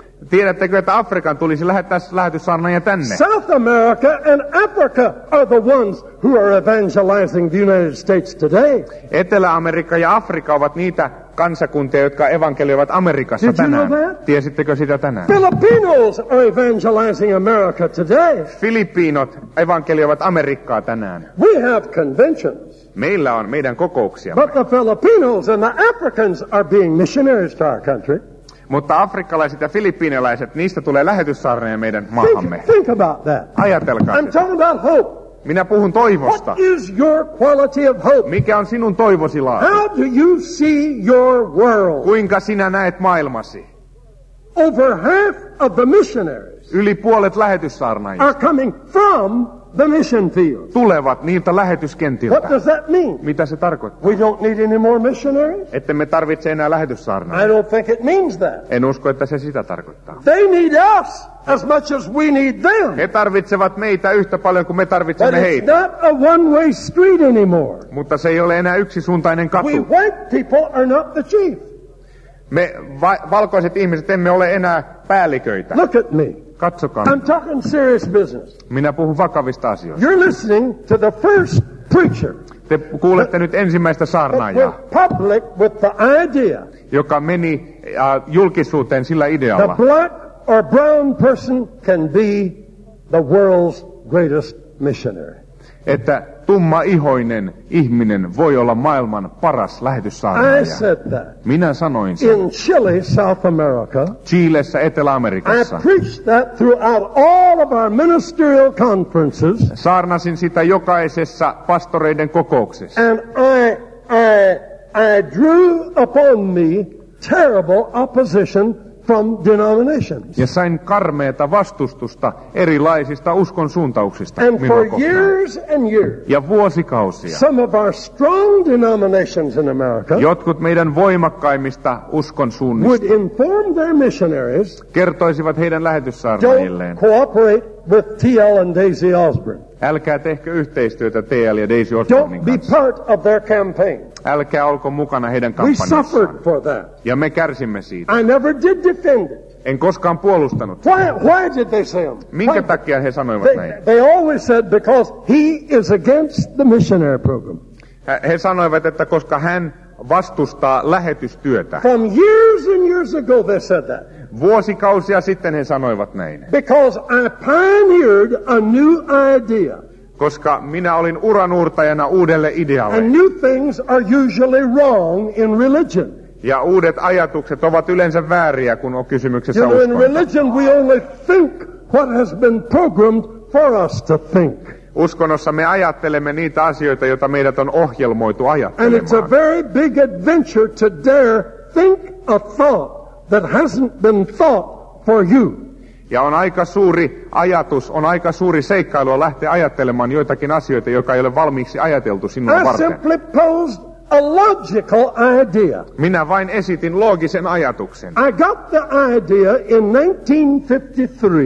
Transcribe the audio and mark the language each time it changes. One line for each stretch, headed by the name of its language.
Finnish: Tiedättekö, että Afrikan tulisi lähettää lähetyssaarnaajia tänne?
English: South America and Africa are the ones who are evangelizing the United States today.
Finnish: Etelä-Amerikka ja Afrika ovat niitä kansakuntia, jotka evankelioivat Amerikassa
English: did
Finnish: tänään.
English: You know that?
Finnish: Tiesittekö sitä tänään?
English: Filipinos are evangelizing America today.
Finnish: Filippiinot evankelioivat Amerikkaa tänään.
English: We have conventions.
Finnish: Meillä on meidän kokouksiamme.
English: But the Filipinos and the Africans are being missionaries to our country.
Finnish: Mutta afrikkalaiset ja filippiineläiset, niistä tulee lähetyssaarnoja meidän maahamme.
English: Think about that.
Finnish: Ajatelkaa.
English: I'm talking about hope.
Finnish: Minä puhun toivosta.
English: What is your quality of hope?
Finnish: Mikä on sinun toivosi laatu?
English: How do you see your world?
Finnish: Kuinka sinä näet maailmasi?
English: Over half of the missionaries.
Finnish: Yli puolet lähetyssaarnaajista.
English: Are coming from the mission field.
Finnish: Tulevat niiltä lähetyskentiltä.
English: What does that mean?
Finnish: Mitä se tarkoittaa?
English: We don't need any more missionaries.
Finnish: Että me tarvitse enää lähetyssaarnaajia.
English: I don't think it means that.
Finnish: En usko, että se sitä tarkoittaa.
English: They need us as much as we need them.
Finnish: He tarvitsevat meitä yhtä paljon kuin me tarvitsemme heitä.
English: But it's not a one-way street anymore.
Finnish: Mutta se ei ole enää yksisuuntainen katu.
English: We white people are not the chief.
Finnish: Me valkoiset ihmiset emme ole enää päälliköitä.
English: Look at me.
Finnish: Katsokaa.
English: I'm talking serious business.
Finnish: Minä puhun vakavista asioista.
English: You're listening to the first preacher.
Finnish: Te kuulette nyt ensimmäistä saarnaajaa.
English: Public with the idea.
Finnish: Joka meni julkisuuteen sillä idealla.
English: The black or brown person can be the world's greatest missionary.
Finnish: Että tumma ihoinen ihminen voi olla maailman paras lähetyssaarnaaja.
English: I said that.
Finnish: Minä sanoin sen.
English: In Chile, South America.
Finnish: Chiilessä, Etelä-Amerikassa.
English: I preached that throughout all of our ministerial conferences.
Finnish: Saarnasin sitä jokaisessa pastoreiden kokouksessa.
English: And I drew upon me terrible opposition from denominations.
Finnish: Ja sain karmeeta vastustusta erilaisista uskon suuntauksista.
English: And for years and years.
Finnish: Ja vuosikausia.
English: Some of our strong denominations in America.
Finnish: Jotkut meidän voimakkaimmista uskon suunnista.
English: Would inform their missionaries.
Finnish: Kertoisivat heidän lähetyssaarnaajilleen.
English: Don't cooperate with T.L. and Daisy Osborne.
Finnish: Älkää tehkö yhteistyötä T.L. ja Daisy Osbornein kanssa.
English: Don't be part of their campaign.
Finnish: Älkää olko mukana heidän kampanjassaan.
English: We suffered for that.
Finnish: Ja me kärsimme siitä.
English: I never did defend it.
Finnish: En koskaan puolustanut.
English: Why did they say him?
Finnish: Minkä takia he sanoivat näin?
English: They always said because he is against the missionary program.
Finnish: He sanoivat, että koska hän vastustaa lähetystyötä.
English: From years and years ago they said that.
Finnish: Vuosikausia sitten he sanoivat näin.
English: Because I pioneered a new idea.
Finnish: Koska minä olin uranuurtajana uudelle idealle.
English: And new things are usually wrong in religion.
Finnish: Ja uudet ajatukset ovat yleensä vääriä, kun on kysymyksessä uskonto.
English: In religion we only think what has been programmed for us to think.
Finnish: Uskonnossa me ajattelemme niitä asioita, joita meidät on ohjelmoitu ajattelemaan.
English: And it's a very big adventure to dare think a thought that hasn't been thought for you.
Finnish: Ja on aika suuri ajatus, on aika suuri seikkailu lähteä ajattelemaan joitakin asioita, joka ei ole valmiiksi ajateltu sinun varten.
English: I simply posed a logical idea.
Finnish: Minä vain esitin loogisen ajatuksen.
English: I got the idea in 1953.